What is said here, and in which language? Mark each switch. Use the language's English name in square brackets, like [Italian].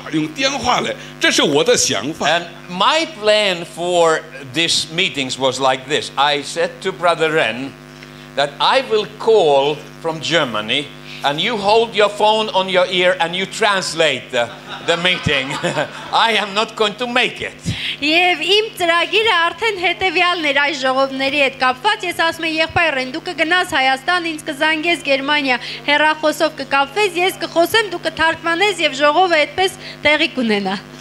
[Chinese] 我原来是想着说，12点钟我给汤姆斯打电话说，想着说，如果我去不了的时候，你可以去，我打电话用电话来，这是我的想法。 [English] And my plan for these meetings was like this. I said to Brother Ren that I will call from Germany and you hold your phone on your ear and you translate the meeting. I am not going to make it. [Armenian] Եվ իմ ծրագիրը արդեն հետեւյալն էր այս ժողովների հետ կապված, ես ասում եմ եղբայր Ռեն, դու կգնաս Հայաստան, ինձ կզանգես Գերմանիա, հեռախոսով կկապվես, ես կխոսեմ, դու կթարգմանես եւ ժողովը այդպես տեղի կունենա։